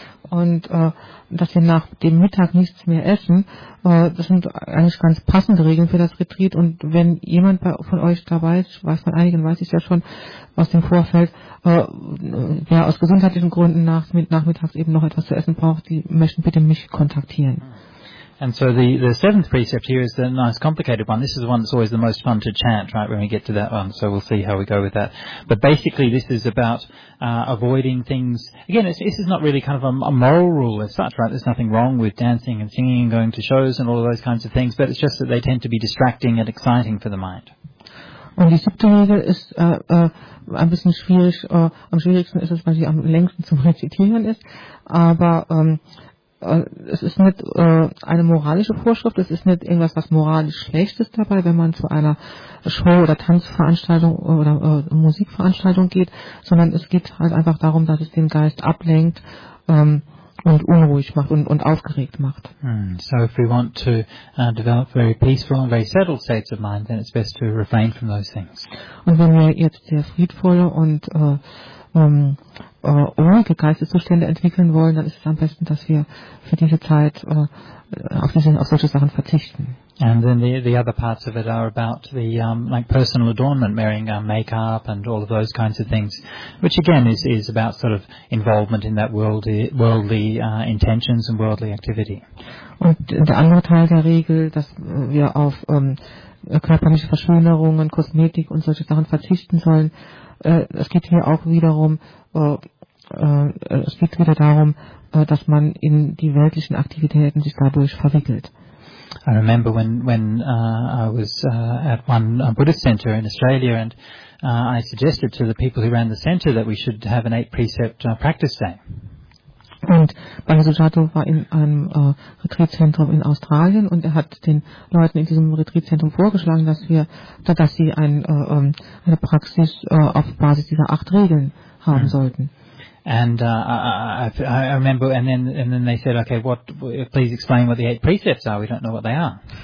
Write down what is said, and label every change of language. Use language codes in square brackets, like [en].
[de] Und dass wir nach dem Mittag nichts mehr essen, das sind eigentlich ganz passende Regeln für das Retreat. Und wenn jemand von euch dabei ist, weiß man einigen, weiß ich ja schon aus dem Vorfeld, wer aus gesundheitlichen Gründen nachmittags eben noch etwas zu essen braucht, die möchten bitte mich kontaktieren. [en] And so the seventh precept here is the nice complicated one. This is the one that's always the most fun to chant, right, when we get to that one. So we'll see how we go with that. But basically this is about avoiding things. Again, this is not really kind of a moral rule as such, right? There's nothing wrong with dancing and singing and going to shows and all of those kinds of things, but it's just that they tend to be distracting and exciting for the mind. [de] Und die siebte Regel ist ein bisschen schwierig. Am schwierigsten ist es, weil sie am längsten zum Rezitieren ist. Aber es ist nicht eine moralische Vorschrift. Es ist nicht irgendwas, was moralisch schlecht ist dabei, wenn man zu einer Show- oder Tanzveranstaltung oder Musikveranstaltung geht, sondern es geht halt einfach darum, dass es den Geist ablenkt und unruhig macht und aufgeregt macht. [en] So if we want to develop very peaceful and very settled states of mind, then it's best to refrain from those things. [de] Und wenn wir jetzt sehr friedvolle und ruhige Geisteszustände entwickeln wollen, dann ist es am besten, dass wir für diese Zeit auf solche Sachen verzichten. [en] And then the other parts of it are about the like personal adornment, wearing makeup and all of those kinds of things, which again is about sort of involvement in that worldly intentions and worldly activity. [de] Und der andere Teil der Regel, dass wir auf körperliche Verschönerungen, Kosmetik und solche Sachen verzichten sollen, es geht hier auch wiederum es geht wieder darum, dass man in die weltlichen Aktivitäten sich dadurch verwickelt. [en] I remember when I was at one Buddhist center in Australia and I suggested to the people who ran the center that we should have an 8-precept practice day. [de] Und Bhante Sujato war in einem Retreatzentrum in Australien und er hat den Leuten in diesem Retreatzentrum vorgeschlagen, dass sie eine Praxis auf Basis dieser 8 Regeln haben sollten. [en] And I remember, and then they said, okay, what? Please explain what the 8 precepts are. We don't know what they are.